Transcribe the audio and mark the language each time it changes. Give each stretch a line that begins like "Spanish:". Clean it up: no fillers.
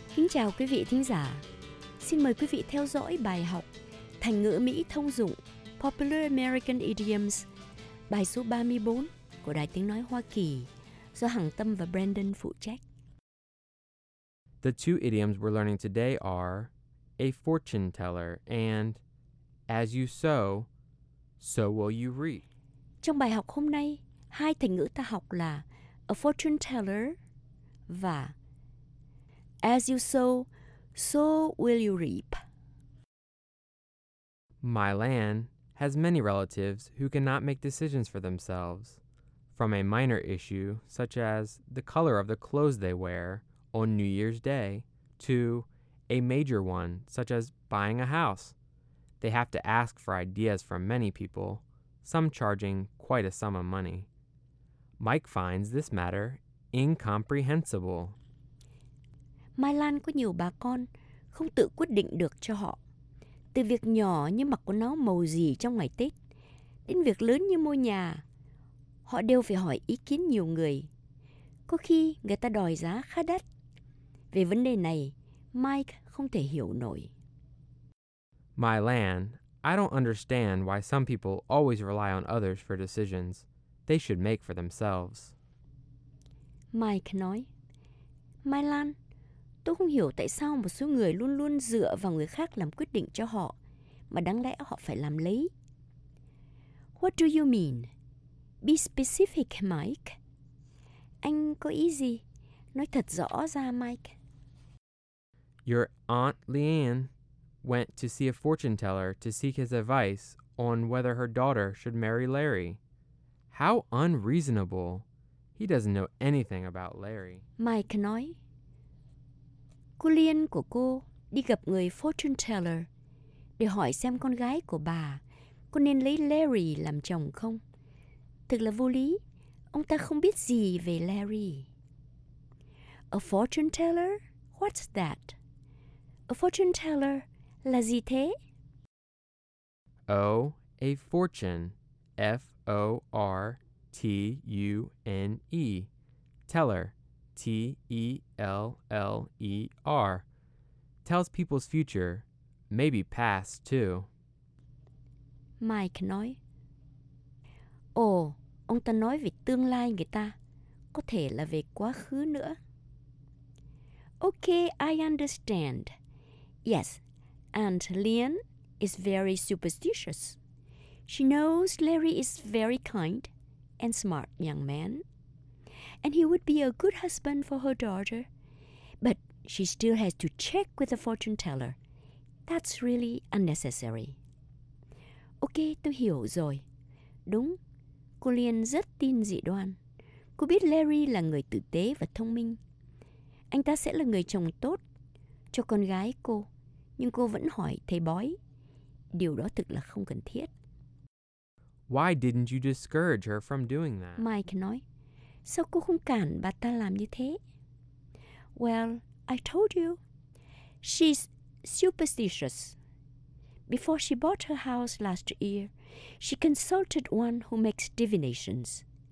Vietnamese: Chào quý vị thính giả, xin mời quý vị theo dõi bài học thành ngữ Mỹ thông dụng Popular American Idioms, bài số 34 của Đài Tiếng Nói Hoa Kỳ do Hằng Tâm và Brandon phụ trách.
English: The two idioms we're learning today are a fortune teller and as you sow, so will you reap.
Vietnamese: Trong bài học hôm nay, hai thành ngữ ta học là
English: a fortune teller
Vietnamese: và
English: as you sow, so will you reap. My land has many relatives who cannot make decisions for themselves. From a minor issue, such as the color of the clothes they wear on New Year's Day, to a major one, such as buying a house, they have to ask for ideas from many people, some charging quite a sum of money. Mike finds this matter incomprehensible.
Vietnamese: Mai Lan có nhiều bà con không tự quyết định được cho họ. Từ việc nhỏ như mặc quần áo màu gì trong ngày Tết, đến việc lớn như mua nhà, họ đều phải hỏi ý kiến nhiều người. Có khi người ta đòi giá khá đắt. Về vấn đề này, Mike không thể hiểu nổi.
English: Mai Lan, I don't understand why some people always rely on others for decisions they should make for themselves.
Vietnamese: Mike nói, Mai Lan, tôi không hiểu tại sao một số người luôn luôn dựa vào người khác làm quyết định cho họ, mà đáng lẽ họ phải làm lấy.
English: What do you mean? Be specific, Mike.
Vietnamese: Anh có ý gì? Nói thật rõ ra, Mike.
English: Your Aunt Leanne went to see a fortune teller to seek his advice on whether her daughter should marry Larry. How unreasonable. He doesn't know anything about Larry.
Vietnamese: Mike nói, cô Liên của cô đi gặp người fortune teller để hỏi xem con gái của bà có nên lấy Larry làm chồng không. Thật là vô lý, ông ta không biết gì về Larry.
English: A fortune teller? What's that? A fortune teller
Vietnamese: là gì thế?
English: Oh, a fortune. Fortune. Teller. Teller. Tells people's future, maybe past too.
Vietnamese: Mike nói, ồ, ông ta nói về tương lai người ta, có thể là về quá khứ nữa.
English: Okay, I understand. Yes, Aunt Leon is very superstitious. She knows Larry is very kind and smart young man, and he would be a good husband for her daughter. But she still has to check with the fortune teller. That's really unnecessary.
Vietnamese: Ok, tôi hiểu rồi. Đúng, cô Liên rất tin dị đoan. Cô biết Larry là người tử tế và thông minh. Anh ta sẽ là người chồng tốt cho con gái cô. Nhưng cô vẫn hỏi thầy bói. Điều đó thực là không cần thiết.
English: Why didn't you discourage her from doing that?
Vietnamese: Mike nói, sao cô không cản bà ta làm như thế?
English: Well, I told you, she's superstitious. Before she bought her house last year, she consulted one who makes divinations.